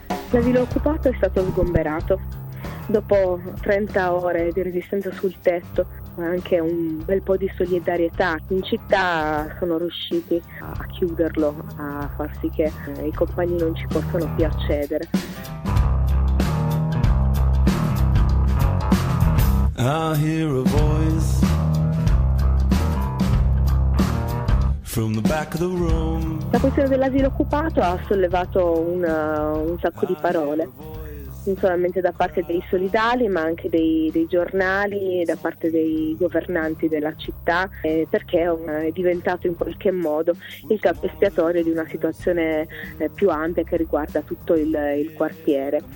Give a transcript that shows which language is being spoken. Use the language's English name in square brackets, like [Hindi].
[Italian] L'asilo occupato è stato sgomberato. Dopo 30 ore di resistenza sul tetto, anche un bel po' di solidarietà in città, sono riusciti a chiuderlo, a far sì che i compagni non ci possano più accedere. [English] I hear a voice from the back of the room. [Italian] La questione dell'asilo occupato ha sollevato un sacco di parole, non solamente da parte dei solidali, ma anche dei giornali e da parte dei governanti della città, perché è diventato in qualche modo il capo espiatorio di una situazione più ampia che riguarda tutto il quartiere.